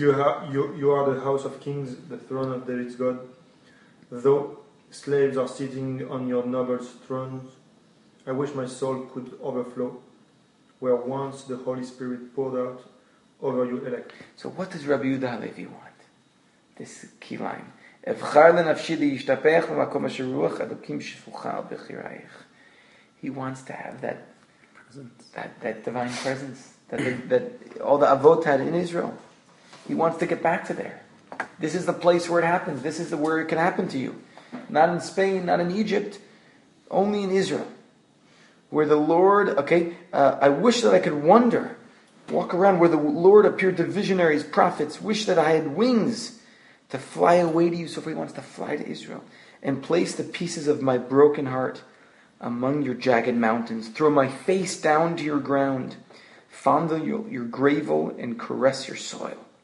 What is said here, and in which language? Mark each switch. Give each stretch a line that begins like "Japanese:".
English: You are the house of kings, the throne of David's God. Though slaves are sitting on your noble thrones, I wish my soul could overflow where once the Holy Spirit poured out over your elect. So what does Rabbi Yehuda Halevi want? This key line.
Hebrew: אבחר לנפשי להשתפך במקום אשר רוח אלוקים שפוכה על בחירייך.
English: He wants to have that presence, that divine presence that all the avot had in Israel. He wants to get back to there. This is the place where it happens. This is the where it can happen to you. Not in Spain, not in Egypt, only in Israel. Where the Lord, okay, I wish that I could wander, walk around where the Lord appeared to visionaries, prophets, wish that I had wings to fly away to you, so if he wants to fly to Israel, and place the pieces of my broken heart among your jagged mountains, throw my face down to your ground, fondle your gravel, and caress your soil.